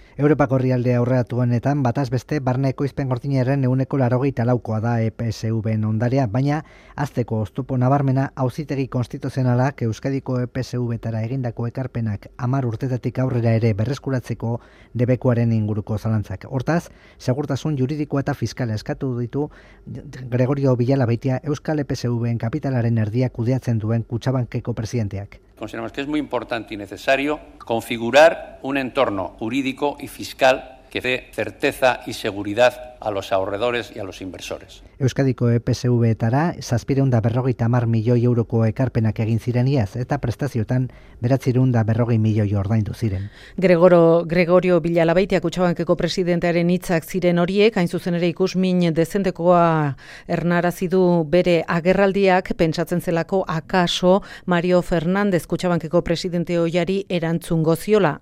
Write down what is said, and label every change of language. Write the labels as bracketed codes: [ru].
[eu] Europako herrialde aurreratuenetan bataz beste barne ekoizpen gordinaren 184koa da EPSV-en ondarea, baina azteko oztopo nabarmena auzitegi konstituzionalak Euskadiko EPSV-tara egindako ekarpenak 10 urtetatik aurrera ere berreskuratzeko debekuaren inguruko zalantzak. Hortaz, segurtasun juridikoa eta fiskala eskatu ditu Gregorio Villalabeitia, Euskal EPSV-en kapitalaren erdia kudeatzen duen Kutxabankeko presidenteak. [es] Consideramos que es muy importante y necesario configurar un entorno jurídico y fiscal que dé certeza y seguridad a los ahorradores y a los inversores. [eu] Euskadiko EPSV-etara 750 milioi euroko ekarpenak egin ziren iaz eta prestazioetan 940 milioi ordaindu ziren. Gregorio Villalabeitia Kutxabankeko presidentearen hitzak ziren horiek, hain zuzen ere ikusmin dezentekoa ernarazi du bere agerraldiak pentsatzen zelako akaso Mario Fernandez Kutxabankeko presidente ohiari erantzungo ziola.